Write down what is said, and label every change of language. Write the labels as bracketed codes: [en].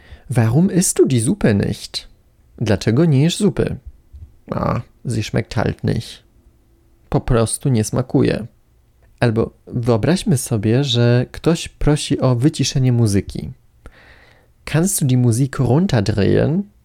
[de] Warum isst du die Suppe nicht? [pl] Dlaczego nie jesz zupy? [de] Sie schmeckt halt nicht. [pl] Po prostu nie smakuje. Albo wyobraźmy sobie, że ktoś prosi o wyciszenie muzyki. [de] Kannst du die Musik runterdrehen?